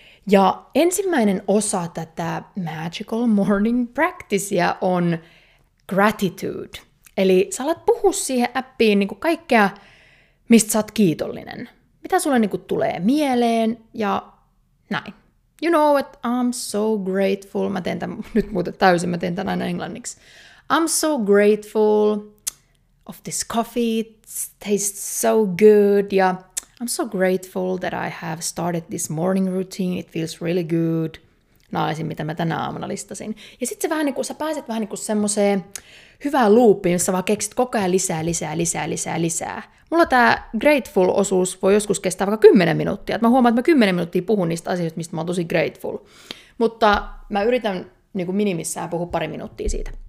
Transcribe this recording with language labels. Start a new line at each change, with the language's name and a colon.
Finnish: Ja ensimmäinen osa tätä Magical Morning Practicea on gratitude. Eli sä alat puhua siihen appiin niin kuin kaikkea, mistä sä oot kiitollinen. Mitä sulle niin kuin tulee mieleen ja näin.
English: You know what, I'm so grateful.
Finnish: Mä teen tämän nyt muuten täysin, mä teen tämän aina englanniksi.
English: I'm so grateful of this coffee, it tastes so good. Ja I'm so grateful that I have started this morning routine, it feels really good.
Finnish: Naisin, mitä mä tänä aamuna listasin. Ja sit se vähän niinku, sä pääset vähän niinku semmoiseen hyvään loopiin, jossa vaan keksit koko ajan lisää. Mulla tää grateful-osuus voi joskus kestää vaikka 10 minuuttia. Mä huomaan, että mä 10 minuuttia puhun niistä asioista, mistä mä oon tosi grateful. Mutta mä yritän niin kuin minimissään puhua 2 minuuttia siitä.